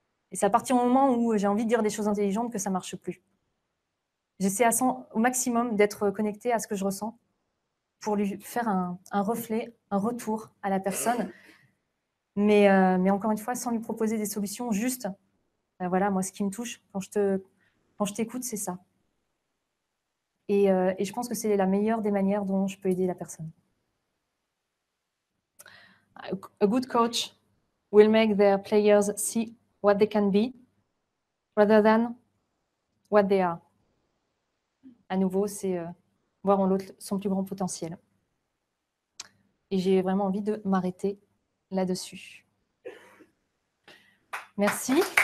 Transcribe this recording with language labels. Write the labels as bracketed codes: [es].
[fr] Et c'est à partir du moment où j'ai envie de dire des choses intelligentes que ça ne marche plus. J'essaie au maximum d'être connectée à ce que je ressens pour lui faire un reflet, un retour à la personne. Mais encore une fois, sans lui proposer des solutions, juste, voilà, moi, ce qui me touche quand je t'écoute, c'est ça. Et je pense que c'est la meilleure des manières dont je peux aider la personne. [en] A good coach will make their players see what they can be rather than what they are. [fr] À nouveau, c'est voir en l'autre son plus grand potentiel. Et j'ai vraiment envie de m'arrêter là-dessus. Merci.